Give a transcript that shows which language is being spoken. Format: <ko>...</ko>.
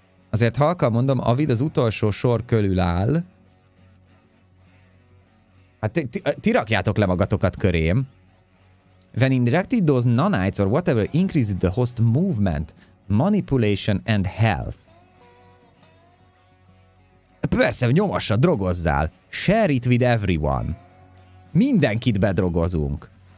<hu>Azért halkan mondom, Avid az utolsó sor körül áll. Hát ti rakjátok le magatokat körém.</hu> <en>When injected those nanites or whatever increased the host movement, manipulation and health.</en> <hu>Persze, nyomassa, drogozzál.</hu> <en>Share it with everyone.</en> <hu>Mindenkit bedrogozunk.</hu>